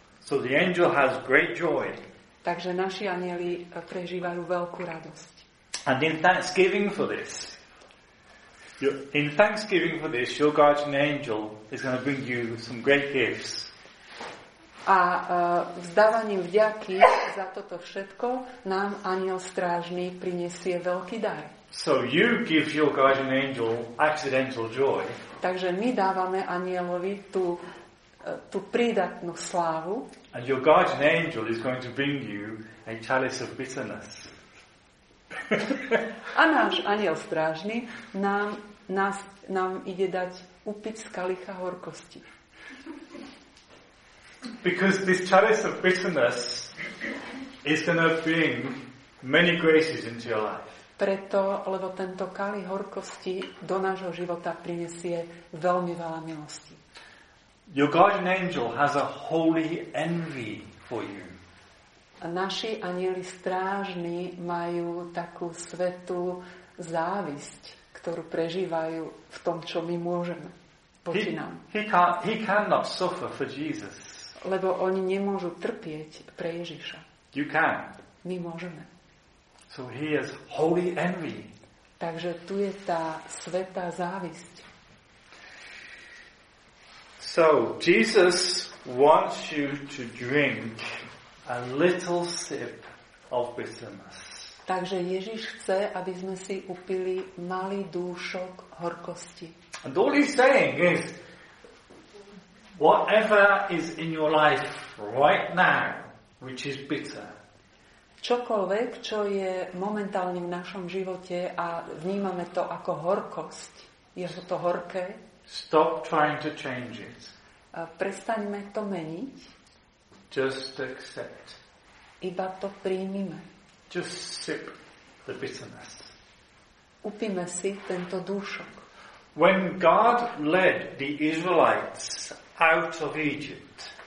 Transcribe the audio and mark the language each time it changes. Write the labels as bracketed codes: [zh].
[en] So the angel has great joy. [sk] Takže naši anieli prežívajú veľkú radosť. [en] And in thanksgiving for this, Yep. In thanksgiving for this, your guardian angel is going to bring you some great gifts. [sk] A vzdávaním vďaky za toto všetko nám anjel strážny prinesie veľký dar. [en] So you give your guardian angel accidental joy. [sk] Takže my dávame anjelovi tú prídatnú slávu. [en] And your guardian angel is going to bring you a chalice of bitterness. [sk] A náš anjel strážny nám ide dať upiť z kalicha horkosti. [en] Because this chalice of bitterness is going to bring many graces into your life. [sk] Preto, lebo tento kalich horkosti do nášho života prinesie veľmi veľa milosti. [en] Your guardian angel has a holy envy for you. [sk] A naši anjeli strážni majú takú svetú závisť, ktorú prežívajú v tom, čo my môžeme. [en] He cannot suffer for Jesus. [sk] Lebo oni nemôžu trpieť pre Ježiša. [en] You can. [sk] My môžeme. [en] So he has holy envy. [sk] Takže tu je tá svätá závisť. [en] So Jesus wants you to drink a little sip of bitterness. [sk] Takže Ježiš chce, aby sme si upili malý dúšok horkosti. [en] And all he's saying is, whatever is in your life right now, which is bitter. [sk] Čokoľvek, čo je momentálne v našom živote a vnímame to ako horkosť, je to horké. [en] Stop trying to change it. [sk] Prestaňme to meniť. [en] Just accept. [sk] Iba to príjmime. [en] Just sip the bitterness. [sk] Upíme si tento dúšok. [en] When God led the Israelites out of Egypt.